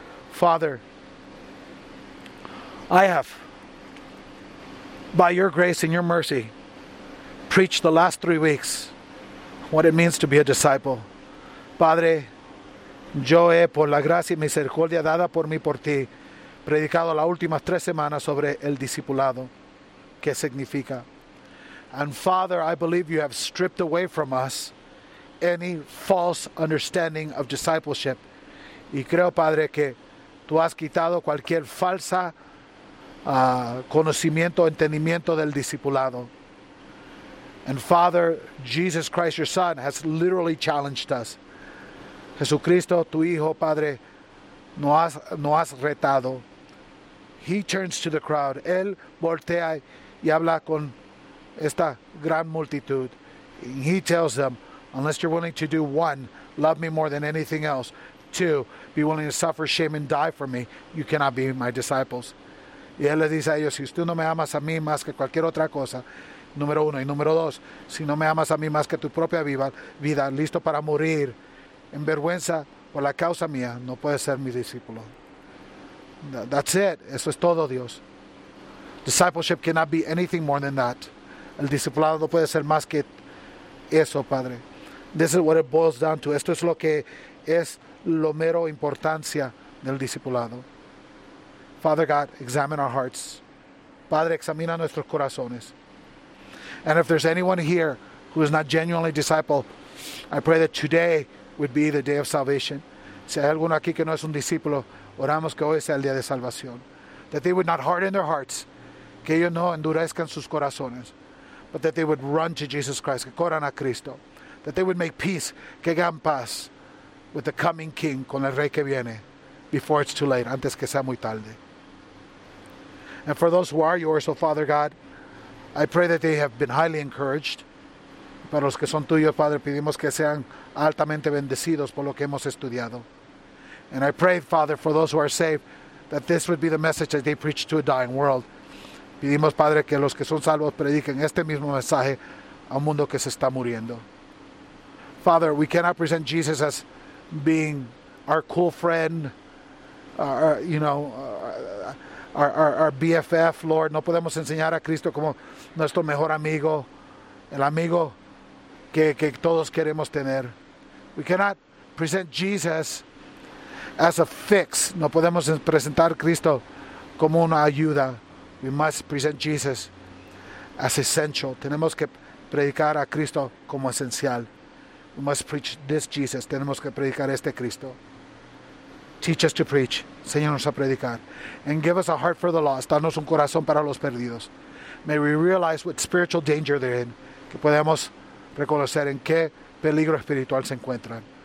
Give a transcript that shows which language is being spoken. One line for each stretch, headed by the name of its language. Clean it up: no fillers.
English: Father, I have, by your grace and your mercy, preached the last 3 weeks what it means to be a disciple.
Spanish: Padre, yo he, por la gracia y misericordia dada por mí por ti, predicado las últimas 3 semanas sobre el discipulado. ¿Qué significa?
English: And Father, I believe you have stripped away from us any false understanding of discipleship.
Spanish: Y creo, Padre, que tú has quitado cualquier falsa conocimiento o entendimiento del discipulado.
English: And Father, Jesus Christ, your Son, has literally challenged us.
Spanish: Jesucristo, tu Hijo, Padre, no has retado.
English: He turns to the crowd.
Spanish: Él voltea y habla con esta gran multitud.
English: And he tells them, unless you're willing to do one, love me more than anything else. Two, be willing to suffer shame and die for me. You cannot be my disciples.
Spanish: Y él les dice a ellos, si tú no me amas a mí más que cualquier otra cosa, número uno. Y número dos, si no me amas a mí más que tu propia vida, listo para morir, en vergüenza por la causa mía, no puedes ser mi discípulo.
English: That's it.
Spanish: Eso es todo, Dios.
English: Discipleship cannot be anything more than that.
Spanish: El discipulado no puede ser más que eso, Padre.
English: This is what it boils down to.
Spanish: Esto es lo que es lo mero importancia del discipulado.
English: Father God, examine our hearts.
Spanish: Padre, examina nuestros corazones.
English: And if there's anyone here who is not genuinely a disciple, I pray that today would be the day of salvation.
Spanish: Si hay alguno aquí que no es un discípulo, oramos que hoy sea el día de salvación.
English: That they would not harden their hearts,
Spanish: que ellos no endurezcan sus corazones,
English: but that they would run to Jesus Christ,
Spanish: que corran a Cristo.
English: That they would make peace,
Spanish: que hagan paz
English: with the coming King,
Spanish: con el Rey que viene,
English: before it's too late,
Spanish: antes que sea muy tarde.
English: And for those who are yours, oh Father God, I pray that they have been highly encouraged.
Spanish: Para los que son tuyos, Padre, pedimos que sean altamente bendecidos por lo que hemos estudiado.
English: And I pray, Father, for those who are saved, that this would be the message that they preach to a dying world.
Spanish: Pedimos, Padre, que los que son salvos prediquen este mismo mensaje a un mundo que se está muriendo.
English: Father, we cannot present Jesus as being our cool friend, our BFF, Lord.
Spanish: No podemos enseñar a Cristo como nuestro mejor amigo, el amigo que todos queremos tener.
English: We cannot present Jesus as a fix.
Spanish: No podemos presentar a Cristo como una ayuda.
English: We must present Jesus as essential.
Spanish: Tenemos que predicar a Cristo como esencial.
English: We must preach this Jesus.
Spanish: Tenemos que predicar este Cristo.
English: Teach us to preach.
Spanish: Enséñanos a predicar.
English: And give us a heart for the lost.
Spanish: Danos un corazón para los perdidos.
English: May we realize what spiritual danger they're in.
Spanish: Que podamos reconocer en qué peligro espiritual se encuentran.